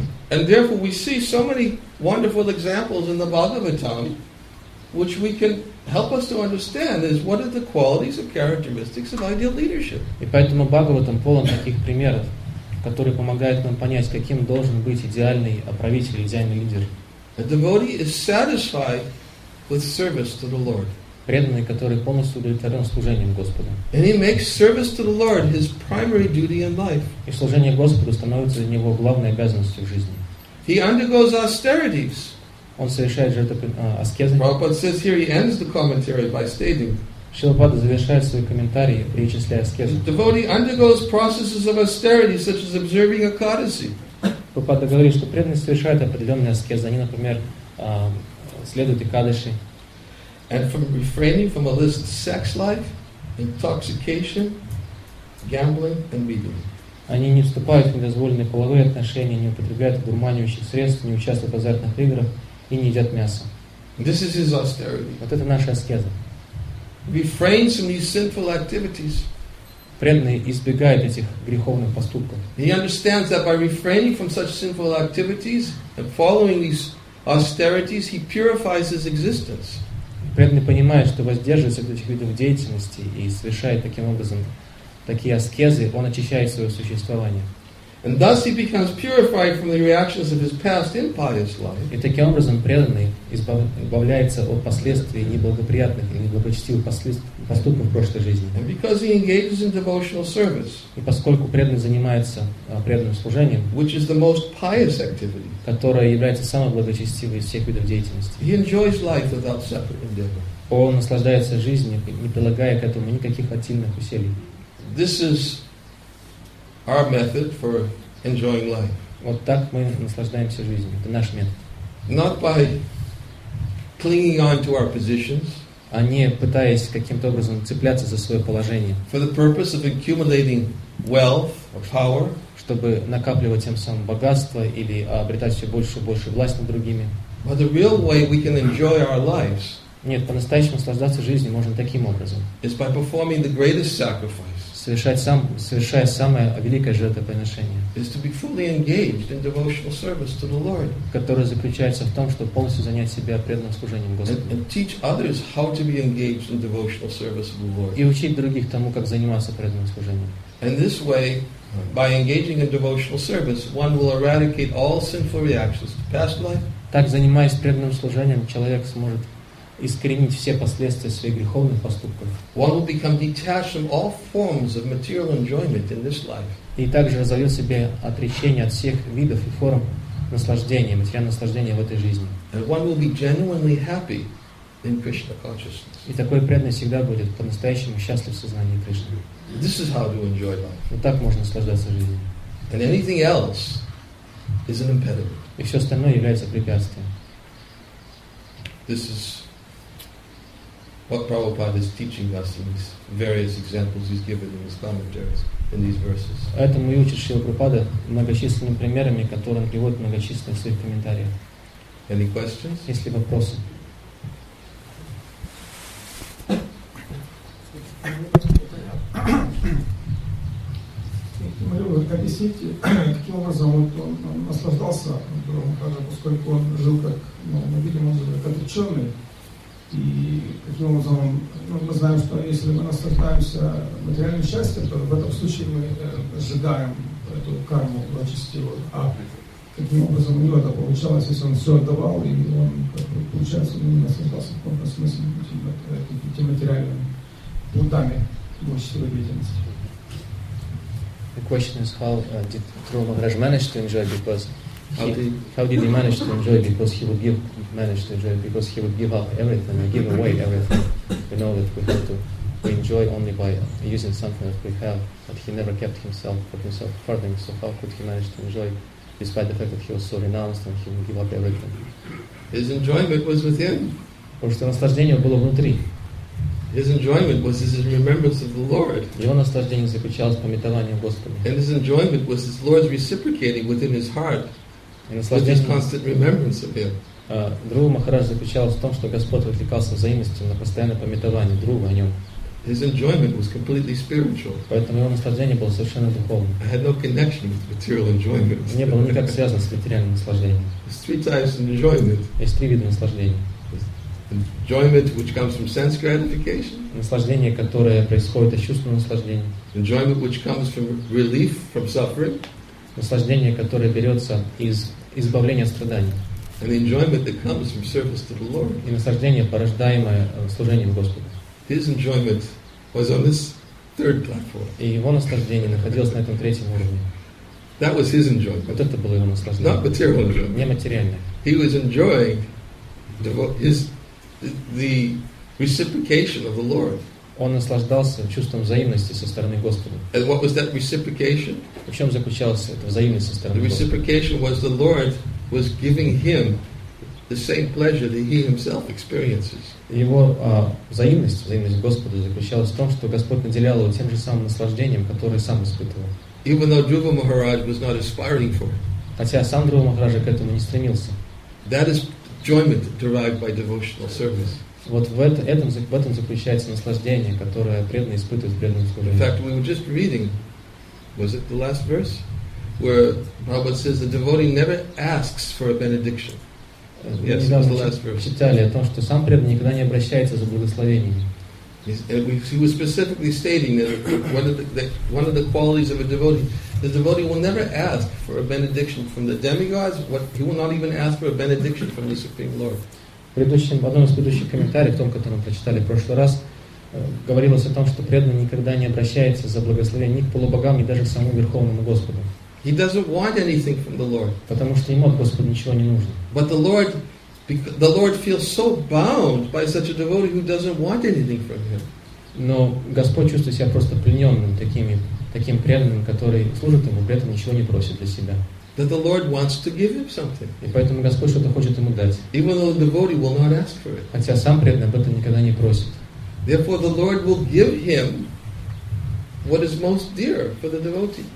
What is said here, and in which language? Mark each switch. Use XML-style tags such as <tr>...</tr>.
<en>And therefore we see so many wonderful examples in the Bhagavatam, which we can help us to understand is what are the qualities or characteristics of ideal leadership.</en> <ru>И поэтому Бхагаватам полон таких примеров, которые помогают нам понять, каким должен быть идеальный правитель, идеальный лидер.</ru> <en>A devotee is satisfied with service to the Lord.</en> <ru>Преданный, который полностью удовлетворен служением Господу.</ru> <en>And he makes service to the Lord his primary duty in life.</en> <ru>И служение Господу становится для него главной обязанностью в жизни.</ru> <en>He undergoes austerities.</en> <ru>Он совершает аскезы.</ru> <en>Prabhupada says here he ends the commentary by stating.</en> <ru>Шилопада завершает свой комментарий, перечисляя аскезу.</ru> <en>The devotee undergoes processes of austerity, such as observing a codicil.</en> <ru>Прабхупада говорит, что преданный совершает определенные аскезы. Они, например, следуют икадыши.</ru> <en>And from refraining from illicit sex life, intoxication, gambling, and reading.</en> <ru>Они не вступают в недозволенные половые отношения, не употребляют одурманивающих средств, не участвуют в азартных играх и не едят мясо.</ru> <en>This is his austerity.</en> <ru>Вот это наша аскеза.</ru> <en>Refrains from these sinful activities.</en> <ru>Преданный избегает этих греховных поступков.</ru> <en>He understands that by refraining from such sinful activities and following these austerities, he purifies his existence.</en> <ru>Преданный понимает, что воздерживается от этих видов деятельности и совершает таким образом такие аскезы, он очищает свое существование.</ru> <en>And thus he becomes purified from the reactions of his past impious life.</en> <ru>И таким образом преданный избавляется от последствий неблагоприятных и неблагочестивых поступков в прошлой жизни.</ru> <en>And because he engages in devotional service.</en> <ru>И поскольку преданный занимается преданным служением,</ru> <en>which is the most pious activity,</en> <ru>которая является самой благочестивой из всех видов деятельности,</ru> <en>he enjoys life without separate endeavor.</en> <ru>Он наслаждается жизнью, не прилагая к этому никаких отдельных усилий.</ru> <en>This is our method for enjoying life.</en> <ru>Вот так мы наслаждаемся жизнью. Это наш метод.</ru> <en>Not by clinging on to our positions,</en> <ru>а не пытаясь каким-то образом цепляться за свое положение.</ru> <en>For the purpose of accumulating wealth or power,</en> <ru>чтобы накапливать тем самым богатство или обретать все больше и больше власть над другими.</ru> <en>But the real way we can enjoy our lives,</en> <ru>нет, по-настоящему наслаждаться жизнью можно таким образом.</ru> <en>Is by performing the greatest sacrifice.</en> <ru>Совершая самое великое жертвоприношение,</ru> <en>is to be fully engaged in devotional service to the Lord,</en> <ru>которое заключается в том, чтобы полностью занять себя преданным служением Господу,</ru> <en>and teach others how to be engaged in devotional service to the Lord,</en> <ru>и учить других тому, как заниматься преданным служением.</ru> <en>And this way, by engaging in devotional service, one will eradicate all sinful reactions to past life.</en> <ru>Так, занимаясь преданным служением, человек сможет искоренить все последствия своих греховных поступков.</ru> <en>One will become detached from all forms of material enjoyment in this life.</en> <ru>И также разовьет себе отречение от всех видов и форм наслаждения, материального наслаждения в этой жизни.</ru> <en>And one will be genuinely happy in Krishna consciousness.</en> <ru>И такой преданный всегда будет по-настоящему счастлив в сознании Кришны.</ru> <en>This is how to enjoy life.</en> <ru>Вот так можно наслаждаться жизнью.</ru> <en>And anything else is an impediment.</en> <ru>И все остальное является препятствием.</ru> <en>This is what Prabhupada is teaching us in these various examples he's given in his commentaries in these verses.</en> <ru>Этому и учит Шрила Прабхупада многочисленными примерами, которые он приводит в многочисленных своих комментариях.</ru> <en>Any questions?</en> <ru>Есть ли вопросы? Объясните, каким образом вот он наслаждался, поскольку он жил как, ну, видимо, как отреченный. И каким образом ну, мы знаем, что если мы наслаждаемся материальным счастьем, то в этом случае мы сжигаем эту карму благочестивую. А каким образом у него это получалось, если он все отдавал, и он, как бы, получается, не наслаждался в каком-то смысле этим материальным плодами благочестивой деятельности.</ru> <en>The question is how did Guru Maharaj manage to enjoy? Because how did he manage to enjoy? Because he would give up everything and give away everything. We know that we have to enjoy only by using something that we have. But he never kept himself for himself farthing. So how could he manage to enjoy, despite the fact that he was so renounced and he would give up everything? His enjoyment was within.</en> <ru>Потому что наслаждение было внутри.</ru> <en>His enjoyment was his remembrance of the Lord.</en> <ru>Его наслаждение заключалось в памятовании Господа.</ru> <en>And his enjoyment was his Lord's reciprocating within his heart.</en> <ru>И наслаждение</ru> <en>was his constant remembrance of him.</en> <ru>Друга Махарадж заключалось в том, что Господь отвлекался взаимностью на постоянное памятование друга о нем.</ru> <en>His enjoyment was completely spiritual.</en> <ru>Поэтому его наслаждение было совершенно духовным.</ru> <en>I had no connection with material enjoyment.</en> <ru>Не было никак связано с материальным наслаждением.</ru> <en>Three types of enjoyment.</en> <ru>Есть три вида наслаждения.</ru> <en>Enjoyment, which comes from sense gratification.</en> <ru>Наслаждение, которое происходит от чувственного наслаждения.</ru> <en>Enjoyment, which comes from relief from suffering.</en> <ru>Наслаждение, которое берется из избавления от страданий.</ru> <en>And enjoyment that comes from service to the Lord.</en> <ru>И наслаждение, порождаемое служением Господу.</ru> <en>His enjoyment was on this third platform.</en> <ru>И его наслаждение находилось на этом третьем уровне.</ru> <en>That was his enjoyment.</en> <ru>Вот это было его наслаждение.</ru> <en>Not material enjoyment.</en> <ru>Не материальное.</ru> <en>He was enjoying the reciprocation of the Lord.</en> <ru>Он наслаждался чувством взаимности со стороны Господа.</ru> <en>And what was that reciprocation?</en> <ru>В чем заключалась эта взаимность со стороны</ru> <en>the</en> <ru>Господа?</ru> <en>The reciprocation was the Lord was giving him the same pleasure that he himself experiences.</en> <ru>Его взаимность Господа заключалась в том, что Господь наделял его тем же самым наслаждением, которое сам испытывал.</ru> <en>Even though Dhruva Maharaj was not aspiring for it.</en> <ru>Хотя сам Дхрува Махарадж к этому не стремился.</ru> <en>That is enjoyment derived by devotional service.</en> <ru>Вот в этом заключается наслаждение, которое преданный испытывает в преданном служении.</ru> <en>In fact, we were just reading, was it the last verse, where Prabhupada says the devotee never asks for a benediction. Yes, it was the last verse.</en> <ru>Читали о том, что сам преданный никогда не обращается за благословением.</ru> <en>He was specifically stating that one of the qualities of a devotee. The devotee will never ask for a benediction from the demigods. He will not even ask for a benediction from the Supreme Lord.</en> <ru>В одном из предыдущих комментариев, в том, который мы прочитали в прошлый раз, говорилось о том, что преданный никогда не обращается за благословение ни к полубогам, ни даже к самому Верховному Господу.</ru> <en>He doesn't want anything from the Lord.</en> <ru>Потому что ему от Господа ничего не нужно.</ru> <en>But the Lord feels so bound by such a devotee who doesn't want anything from him.</en> <ru>Но Господь чувствует себя просто плененным таким преданным, который служит ему, при этом ничего не просит для себя.</ru> <en>That the Lord wants to give him something.</en> <ru>И поэтому Господь что-то хочет ему дать.</ru> <en>Even though the devotee will not ask for it.</en> <ru>Хотя сам преданный об этом никогда не просит.</ru> <en>Therefore, the Lord will give him what is most dear for the devotee.</en>